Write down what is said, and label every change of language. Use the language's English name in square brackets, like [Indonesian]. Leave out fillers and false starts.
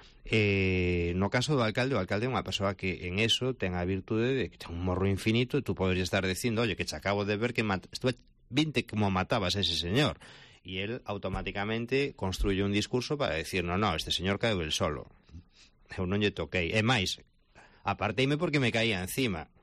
[Galician] No caso do alcalde, o alcalde é unha persoa que en eso ten a virtude de que ten un morro infinito e tú podes estar dicindo, oye, que te acabo de ver que estuve 20 como matabas a ese señor. [Spanish] E él automáticamente construye un discurso para decir, no, este señor caeu el solo. [Galician] Eu non lle toquei. É máis, aparteime porque me caía encima.